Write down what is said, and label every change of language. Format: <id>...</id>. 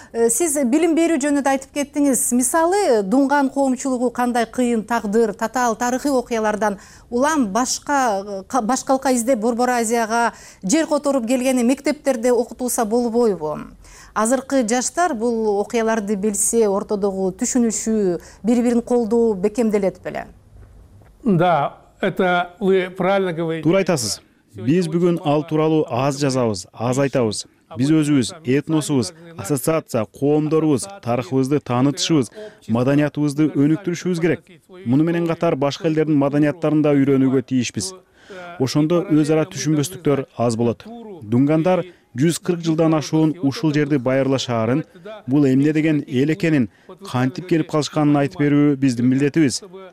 <ky>Сиз билим берүү жөнүндө айтып кеттиңиз. Мисалы, дунган коомчулугу кандай кыйын тагдыр, татаал тарыхый окуялардан улам башкалка издеп Борбор Азияга жер которуп келгени мектептерде окутулса болбойбу? Азыркы жаштар бул окуяларды билсе, ортодогу түшүнүшү, бири бирин колдоо бекемделет беле?</ky> <ru>Да, это вы правильно говорите.</ru> <ky>Туура айтасыз. Биз бүгүн ал тууралуу аз жазабыз, аз айтабыз. Биз өзүбүз, этносубуз, ассоциация, коомдорубуз, тарыхыбызды таанытышыбыз, маданиятыбызды өнүктүрүшүбүз керек. Муну менен катар башка элдердин маданияттарын да үйрөнүүгө тийишпиз. Ошондо өз ара түшүнбөстүктөр аз болот. Дунгандар 140 жылдан ашуун ушул жерди Байырлы шаарын, бул эмне деген эл экенин, кантип келип калышканын айтып берүү биздин милдетибиз.</ky>